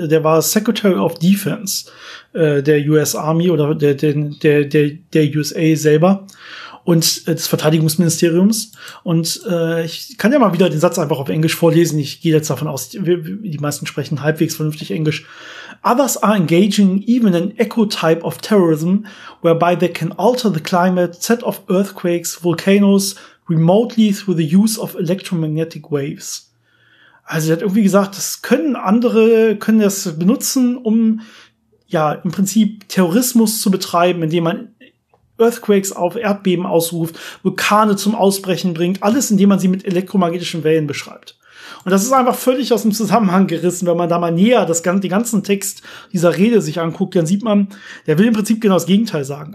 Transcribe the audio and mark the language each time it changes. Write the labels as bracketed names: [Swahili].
[German] Der war Secretary of Defense der US Army oder der USA selber und des Verteidigungsministeriums. Und ich kann ja mal wieder den Satz einfach auf Englisch vorlesen. Ich gehe jetzt davon aus, die meisten sprechen halbwegs vernünftig Englisch. [English] Others are engaging even an echo type of terrorism, whereby they can alter the climate, set off earthquakes, volcanoes, remotely through the use of electromagnetic waves. [German] Also er hat irgendwie gesagt, das können andere, können das benutzen, um ja im Prinzip Terrorismus zu betreiben, indem man Earthquakes auf Erdbeben ausruft, Vulkane zum Ausbrechen bringt, alles, indem man sie mit elektromagnetischen Wellen beschreibt. Und das ist einfach völlig aus dem Zusammenhang gerissen. Wenn man da mal näher den ganzen Text dieser Rede sich anguckt, dann sieht man, der will im Prinzip genau das Gegenteil sagen.